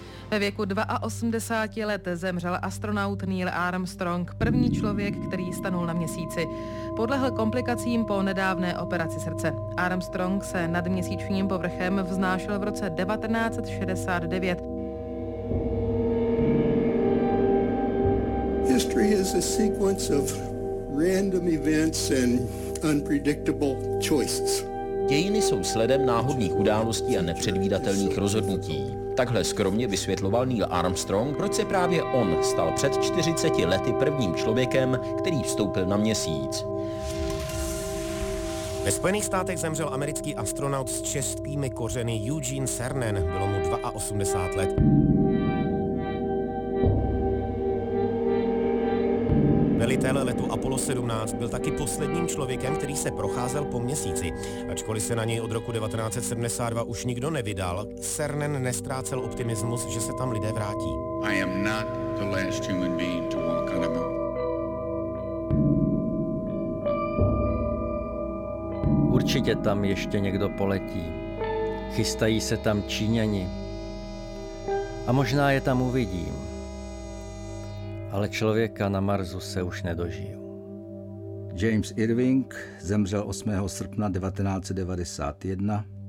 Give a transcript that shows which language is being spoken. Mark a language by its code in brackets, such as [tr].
[cs] Ve věku 82 let zemřel astronaut Neil Armstrong, první člověk, který stanul na měsíci. Podlehl komplikacím po nedávné operaci srdce. Armstrong se nad měsíčním povrchem vznášel v roce 1969. [en] History is a sequence of random events and unpredictable choices. [cs] Dějiny jsou sledem náhodných událostí a nepředvídatelných rozhodnutí. Takhle skromně vysvětloval Neil Armstrong, proč se právě on stal před 40 lety prvním člověkem, který vstoupil na měsíc. Ve Spojených státech zemřel americký astronaut s českými kořeny Eugene Cernan. Bylo mu 82 let. Velitel letu Apollo 17 byl taky posledním člověkem, který se procházel po měsíci. Ačkoliv se na něj od roku 1972 už nikdo nevydal, Cernan nestrácel optimismus, že se tam lidé vrátí. [en] I am not the last human being to walk on the moon. [cs] Určitě tam ještě někdo poletí. Chystají se tam Číňani. A možná je tam uvidím. Ale člověka na Marsu se už nedožiju. James Irving zemřel 8. srpna 1991.